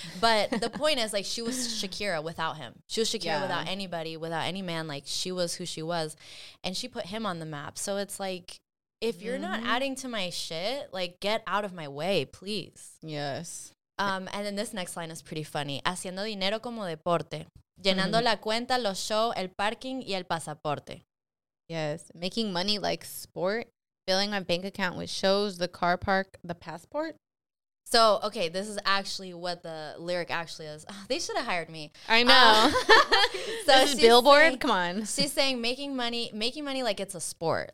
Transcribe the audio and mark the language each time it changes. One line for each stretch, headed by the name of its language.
English: But the point is like she was Shakira without him. She was Shakira without anybody, without any man. Like she was who she was. And she put him on the map. So it's like if you're not adding to my shit, like get out of my way, please. Yes. And then this next line is pretty funny.
Spanish: Haciendo dinero como deporte. Llenando la cuenta, los show, el parking y el pasaporte.
English: Yes. Making money like sport. Filling my bank account with shows, the car park, the passport. So, okay, this is actually what the lyric actually is. Oh, they should have hired me. I know. so this is Billboard? Saying, come on. She's saying making money like it's a sport.